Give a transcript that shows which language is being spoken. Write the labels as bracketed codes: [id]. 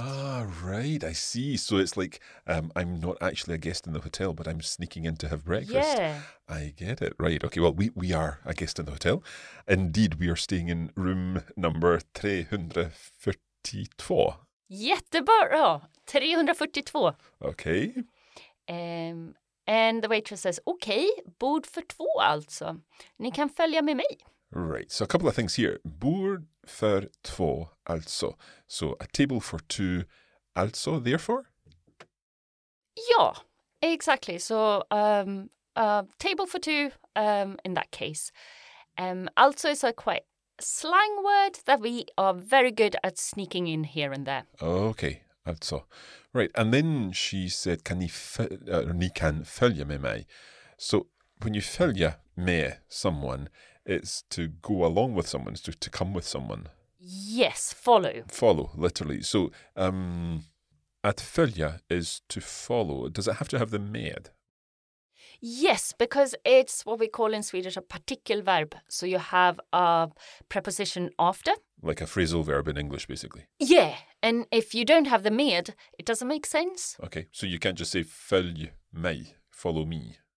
[en] Ah, right. I see. So it's like I'm not actually a guest in the hotel, but I'm sneaking in to have breakfast. Yeah. I get it. Right. Okay. Well, we are a guest in the hotel. Indeed, we are staying in room number 342. [sv] Jättebra. 342. [en] Okay. And the waitress says, okay, [sv] bord för två alltså. Ni kan följa med mig. [en] Right. So a couple of things here. [sv] Bord för två alltså. [en] So a table for two alltså, therefore? Ja, exactly. So table for two in that case. Alltså is a quite slang word that we are very good at sneaking in here and there. Okay. Alltså. Right, and then she said, [sv] ni kan följa med mig. [en] So when you följa med someone, it's to go along with someone, it's to come with someone. Yes, follow. Follow, literally. So att följa is to follow. Does it have to have the med? Yes, because it's what we call in Swedish a partikelverb. So you have a preposition after. Like a phrasal verb in English, basically. Yeah. And if you don't have the med, it doesn't make sense. Okay, so you can't just say [sv] följ mig, [en] follow me.